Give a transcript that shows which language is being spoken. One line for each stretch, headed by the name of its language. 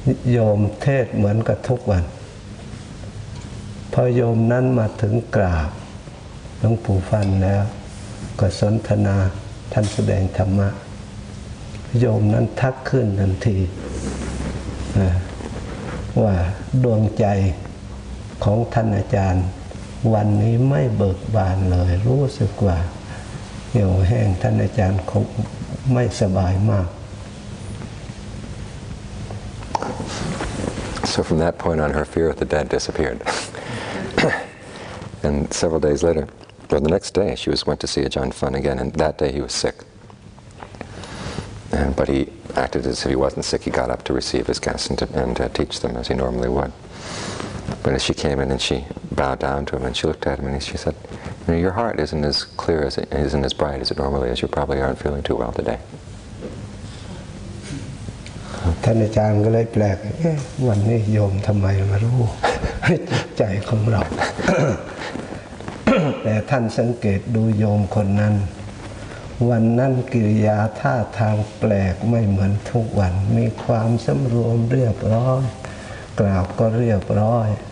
Thai: โยมเทศเหมือนกับทุกวันพอโยมนั้นมาถึงกราบหลวงปู่ฟันแล้วก็สนทนาท่านแสดงธรรมะโยมนั้นทักขึ้นทันทีว่าดวงใจของท่านอาจารย์วันนี้ไม่เบิกบานเลยรู้สึกว่าเหี่ยวแห้งท่านอาจารย์คงไม่สบายมาก
English: So from that point on, her fear of the dead disappeared. And several days later, or the next day, she went to see Ajahn Fun again, and that day he was sick. But he acted as if he wasn't sick. He got up to receive his guests and to teach them as he normally would. But as she came in and she bowed down to him and she looked at him and she said, "You know, your heart isn't as clear, isn't as bright as it normally is. You probably aren't feeling too well today."
Thai: ท่านอาจารย์ก็เลยแปลกวันนี้โยมทำไมมารู้ใจของเราแต่ท่านสังเกตดูโยมคนนั้นวันนั้นกิริยาท่าทางแปลกไม่เหมือนทุกวันมีความสำรวมเรียบร้อยกล่าวก็เรียบร้อย